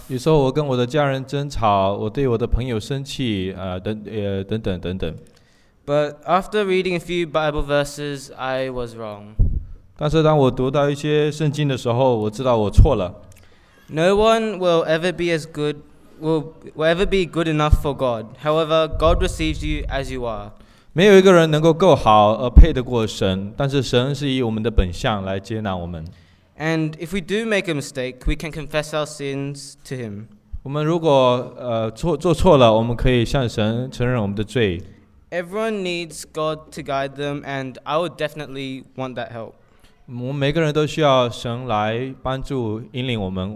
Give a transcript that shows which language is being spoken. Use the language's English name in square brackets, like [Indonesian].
[Chinese] 有时候我跟我的家人争吵，我对我的朋友生气，等等等等。 [English] But after reading a few Bible verses, I was wrong. [Chinese] 但是当我读到一些圣经的时候，我知道我错了。 [English] No one will ever be as good, will ever be good enough for God. However, God receives you as you are. [Chinese] 没有一个人能够够好而配得过神，但是神是以我们的本相来接纳我们。 [English] And if we do make a mistake, we can confess our sins to Him. [Chinese] 我们如果做错了，我们可以向神承认我们的罪。 [English] Everyone needs God to guide them, and I would definitely want that help. [Chinese] 我们每个人都需要神来帮助引领我们。